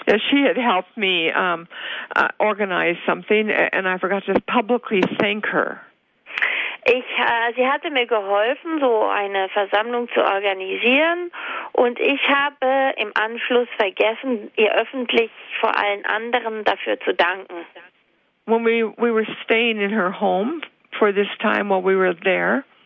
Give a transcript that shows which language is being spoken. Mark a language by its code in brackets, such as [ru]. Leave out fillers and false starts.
[en] She had helped me organize something and I forgot to publicly thank her. [de] Sie hatte mir geholfen, so eine Versammlung zu organisieren, und ich habe im Anschluss vergessen, ihr öffentlich vor allen anderen dafür zu danken. [en] When we were staying in her home for this time while we were there.